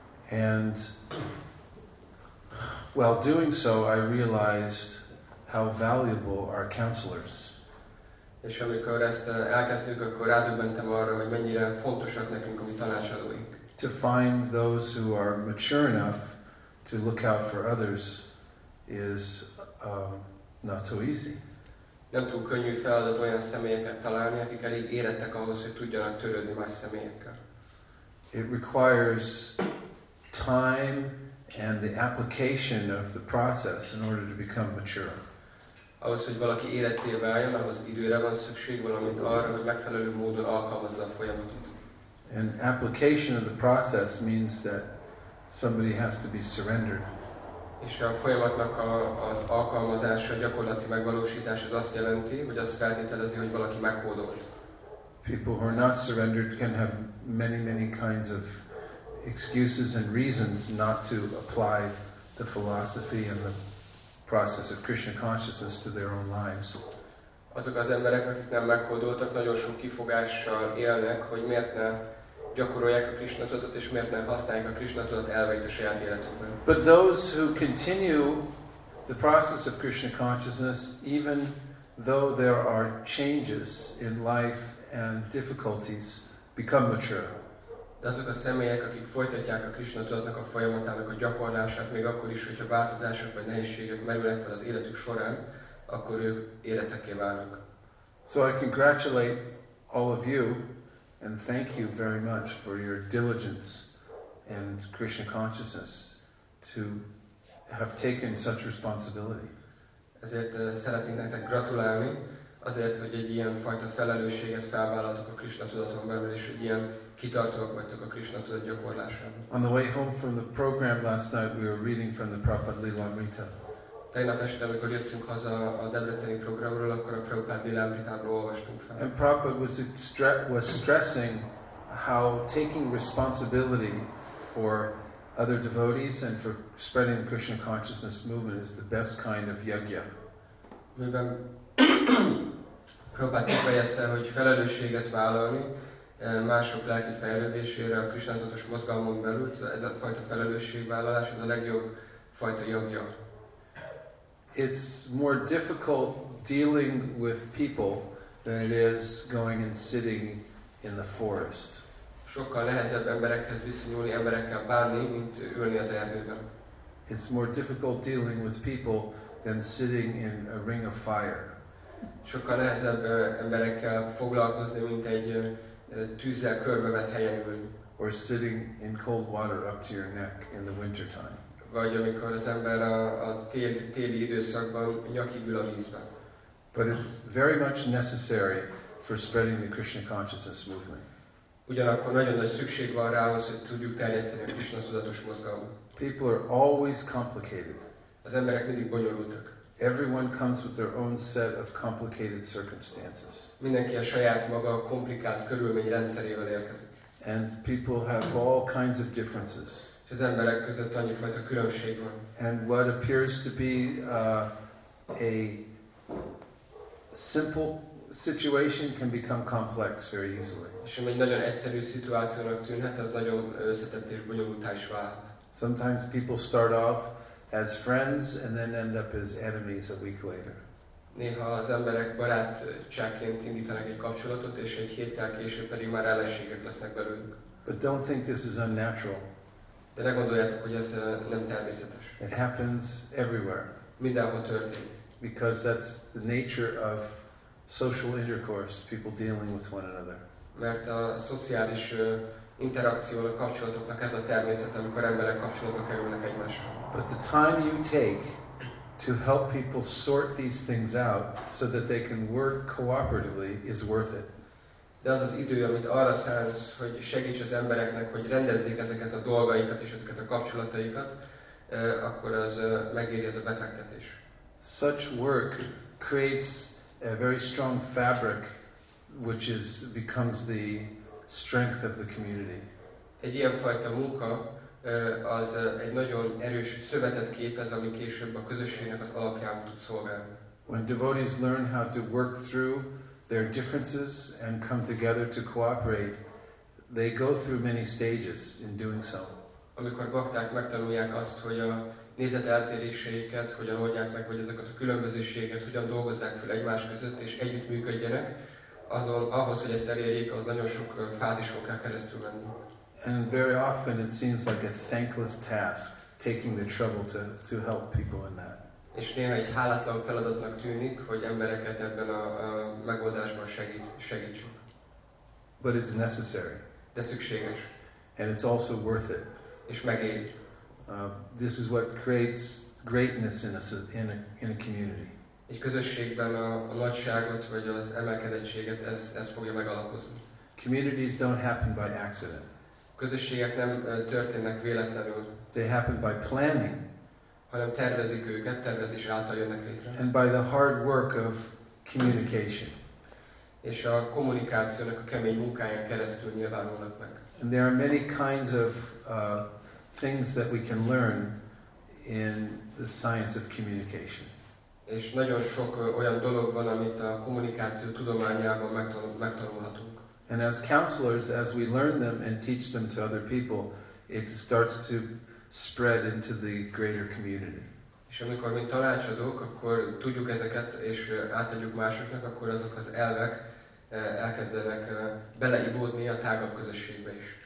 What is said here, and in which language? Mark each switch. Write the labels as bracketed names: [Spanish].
[English] And while doing so, I realized how valuable our counselors. [Hungarian] És amikor ezt elkezdtük, akkor rádöbbentem arra, hogy mennyire fontosak nekünk a mi tanácsadóink. [English] To find those who are mature enough to look out for others is not so easy. [Hungarian] Nem túl könnyű feladat olyan személyeket találni, akik elég érettek ahhoz, hogy tudjanak törődni más személyekkel. [English] It requires time and the application of the process in order to become mature. [Hungarian] Ahhoz, hogy valaki éretté váljon, ahhoz időre van szükség, valamint arra, hogy megfelelő módon alkalmazza a folyamatot. [English] And application of the process means that somebody has to be surrendered. [Hungarian] És a folyamatnak az alkalmazása, gyakorlati megvalósítás az azt jelenti, hogy azt feltételezi, hogy valaki meghódolt. [English] People who are not surrendered can have many, many kinds of excuses and reasons not to apply the philosophy and the process of Krishna consciousness to their own lives. [Hungarian] Azok az emberek, akik nem meghódoltak, nagyon sok kifogással élnek, hogy miért ne gyakorolják a Krishna tudatot, és miért nem használják a Krishna tudat elveit a saját életükben. [English] But those who continue the process of Krishna consciousness, even though there are changes in life and difficulties, become mature. [Hungarian] De azok a személyek, akik folytatják a Krishna tudatnak a folyamatának a gyakorlását, még akkor is, hogyha változások vagy nehézségek merülnek fel az életük során, akkor ők érettekké válnak. [English] So I congratulate all of you and thank you very much for your diligence and Krishna consciousness to have taken such responsibility. [Hungarian] Ezért szeretnék nektek gratulálni, azért, hogy egy ilyen fajta felelősséget felvállaltok a Krishna tudaton belül, és hogy ilyen kitartóak vagytok a Krishna tudat gyakorlásában. [English] On the way home from the program last night, we were reading from the Prabhupada Lilamrita. [Hungarian] Tegnap este, amikor jöttünk haza a debreceni programról, akkor a Prabhupada Lilamritából olvastunk fel. [English] And Prabhupada was stressing how taking responsibility for other devotees and for spreading the Krishna consciousness movement is the best kind of yagya. [Hungarian] Miben Prabhupada kifejezte, hogy felelősséget vállalni mások lelki fejlődésére a Krishna tudatos mozgalmon belül, ez a fajta felelősségvállalás, ez a legjobb fajta yagya. [English] It's more difficult dealing with people than it is going and sitting in the forest. [Hungarian] Sokkal nehezebb emberekhez viszonyulni, emberekkel bánni, mint ülni az erdőben. [English] It's more difficult dealing with people than sitting in a ring of fire. [Hungarian] Sokkal nehezebb emberekkel foglalkozni, mint egy tűzzel körbevet helyen ülni. [English] Or sitting in cold water up to your neck in the winter time. [Hungarian] Vagy amikor az ember a téli időszakban nyakig ül a vízben. [English] But it's very much necessary for spreading the Krishna consciousness movement. [Hungarian] Ugyanakkor nagyon nagy szükség van rá, hogy tudjuk terjeszteni a Krishna tudatos mozgalmat. [English] People are always complicated. [Hungarian] Az emberek mindig bonyolultak. [English] Everyone comes with their own set of complicated circumstances. [Hungarian] Mindenki a saját maga komplikált körülményrendszerével érkezik. [English] And people have all kinds of differences. [Hungarian] Az emberek között annyi fajta különbség van. [English] And what appears to be a simple situation can become complex very easily. [Hungarian] És ami egy nagyon egyszerű szituációnak tűnhet, az nagyon összetett és bonyolultá is válhat. [English] Sometimes people start off as friends and then end up as enemies a week later. [Hungarian] Néha az emberek barátságként indítanak egy kapcsolatot, és egy héttel később pedig már ellenségek lesznek belőlük. [English] But don't think this is unnatural. [Hungarian] De ne gondoljátok, hogy ez nem természetes. [English] It happens everywhere. [Hungarian] Mindenhol történik. [English] Because that's the nature of social intercourse, people dealing with one another. [Hungarian] Mert a szociális interakció, a kapcsolatoknak ez a természet, amikor emberek kapcsolatba kerülnek egymással. [English] But the time you take to help people sort these things out so that they can work cooperatively is worth it. [Hungarian] De az az idő, amit arra szánsz, hogy segíts az embereknek, hogy rendezzék ezeket a dolgaikat és ezeket a kapcsolataikat, akkor az megéri ez a befektetés. [English] Such work creates a very strong fabric, which is becomes the strength of the community. [Hungarian] Egy ilyen fajta munka az egy nagyon erős szövetet képez, ami később a közösségnek az alapjául tud szolgálni. [English] When devotees learn how to work through their differences and come together to cooperate, they go through many stages in doing so. [Hungarian] Amikor bakták megtanulják azt, hogy a nézeteltéréseiket hogyan oldják meg, hogy ezeket a különbözőségeket hogyan dolgozzák fel egymás között és együttműködjenek, azon ahhoz, hogy ezt elérjék, az nagyon sok fázison kell keresztül menni. [English] And very often it seems like a thankless task taking the trouble to help people in that. [Hungarian] És néha egy hálátlan feladatnak tűnik, hogy embereket ebben a megoldásban segítsük. [English] But it's necessary. [Hungarian] De szükséges. [English] And it's also worth it. [Hungarian] És megéri. [English] This is what creates greatness in a community. [Hungarian] Egy közösségben a nagyságot vagy az emelkedettséget ez fogja megalapozni. [English] Communities don't happen by accident. [Hungarian] Közösségek nem történnek véletlenül. [English] They happen by planning. [Hungarian] Hanem tervezik őket, tervezés által jönnek létre. [English] And by the hard work of communication. [Hungarian] És a kommunikációnak a kemény munkáján keresztül nyilvánulnak meg. [English] And there are many kinds of things that we can learn in the science of communication. [Hungarian] És nagyon sok olyan dolog van, amit a kommunikáció tudományában megtanulhatunk. [English] And as counselors, as we learn them and teach them to other people, it starts to spread into the greater community. [Hungarian] És amikor mi tanácsadók, akkor tudjuk ezeket és átadjuk másoknak, akkor azok az elvek elkezdenek beleivódni a tágabb közösségbe is.